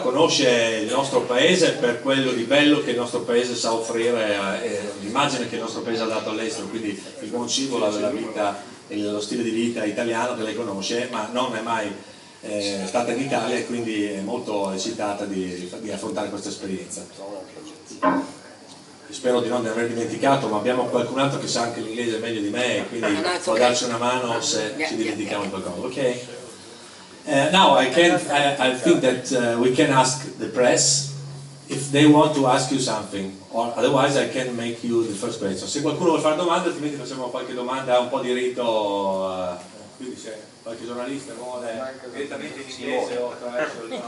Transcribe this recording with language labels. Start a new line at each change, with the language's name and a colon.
Italian: Conosce il nostro paese per quello di bello che il nostro paese sa offrire, l'immagine che il nostro paese ha dato all'estero, quindi il buon cibo, la vita, lo stile di vita italiano che lei conosce, ma non è mai stata in Italia e quindi è molto eccitata di affrontare questa esperienza. Spero di non aver dimenticato, ma abbiamo qualcun altro che sa anche l'inglese meglio di me, quindi può darci una mano se ci dimentichiamo qualcosa. Okay.
English: Now I think that we can ask the press if they want to ask you something, or otherwise I can make you the first question.
Italian: Se qualcuno vuole fare domande, altrimenti facciamo qualche domanda un po' di rito. Quindi se qualche giornalista vuole direttamente in inglese o attraverso